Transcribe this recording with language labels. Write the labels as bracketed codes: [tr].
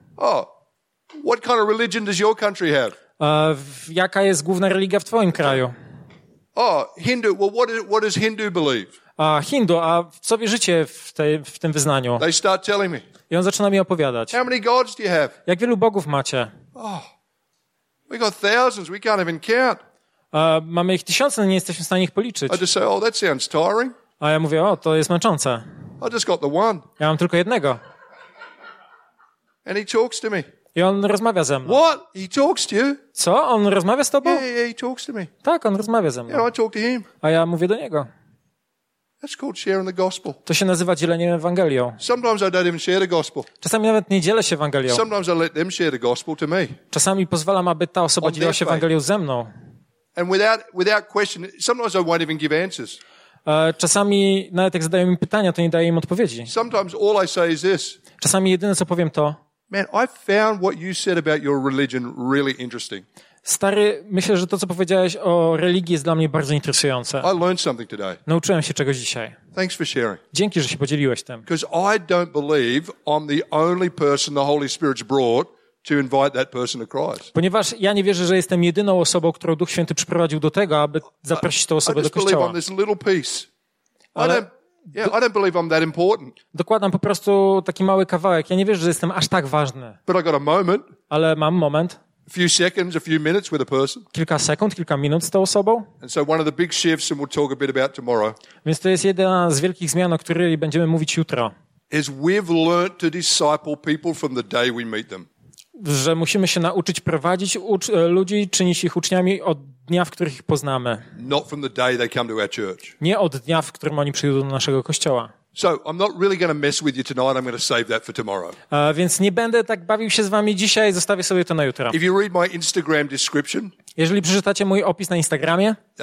[en] Oh, what kind of religion does your country have? [pl] Jaka jest główna religia w twoim kraju? [en] Oh, Hindu. Well, what does Hindu believe? Hindu. [pl] A w co wierzycie w tym wyznaniu? [en] They start telling me. [pl] I on zaczyna mi opowiadać. [en] How many gods do you have? [pl] Jak wielu bogów macie? [en] Oh, we got thousands. We can't even count. [pl] Mamy ich tysiące, nie jesteśmy w stanie ich policzyć. [en] I just say, oh, that sounds tiring. [pl] A ja mówię, o, to jest męczące. [en] I just got the one. [pl] Ja mam tylko jednego. [en] And he talks to me. [pl] I on rozmawia ze mną. [en] What? He talks to you? [pl] Co? On rozmawia z tobą? [en] Yeah, yeah, he talks to me. [pl] Tak, on rozmawia ze mną. [en] Yeah, I talk to him. [pl] A ja mówię do niego. [en] That's called sharing the gospel. [pl] To się nazywa dzieleniem Ewangelią. [en] Sometimes I don't even share the gospel. [pl] Czasami nawet nie dzielę się Ewangelią. [en] Sometimes I let them share the gospel to me. [pl] Czasami pozwalam, aby ta osoba on dzieliła się Ewangelią ze mną. [en] And without question, sometimes I won't even give answers. [pl] Czasami nawet jak zadają mi pytania, to nie daję im odpowiedzi. [en] Sometimes all I say is this. [pl] Czasami jedyne, co powiem, to [en] man, I found what you said about your religion really interesting. [pl] Stary, myślę, że to, co powiedziałeś o religii, jest dla mnie bardzo interesujące. [en] I learned something today. [pl] Nauczyłem się czegoś dzisiaj. [en] Thanks for sharing. [pl] Dzięki, że się podzieliłeś tym. [en] Because I don't believe I'm the only person the Holy Spirit's brought to invite that person to Christ. [pl] Ponieważ ja nie wierzę, że jestem jedyną osobą, którą Duch Święty przyprowadził do tego, aby zaprosić tę osobę do kościoła. [en] I just believe I'm this little piece. Yeah, I don't believe I'm that important. [pl] Dokładam po prostu taki mały kawałek. Ja nie wierzę, że jestem aż tak ważny. [en] But I got a moment. [pl] Ale mam moment. [en] A few seconds, a few minutes with a person. [pl] Kilka sekund, kilka minut z tą osobą. [en] And so one of the big shifts, and we'll talk a bit about tomorrow. [pl] Więc to jest jedna z wielkich zmian, o której będziemy mówić jutro. [en] Is we've learned to disciple people from the day we meet them. [pl] Że musimy się nauczyć prowadzić ludzi, czynić ich uczniami od dnia, w których ich poznamy. [en] Not from the day they come to our church. [pl] Nie od dnia, w którym oni przyjdą do naszego kościoła. [en] So I'm not really going to mess with you tonight. I'm going to save that for tomorrow. [pl] Więc nie będę tak bawił się z wami dzisiaj. Zostawię sobie to na jutro. [en] If you read my Instagram description. [pl] Jeżeli przeczytacie mój opis na Instagramie.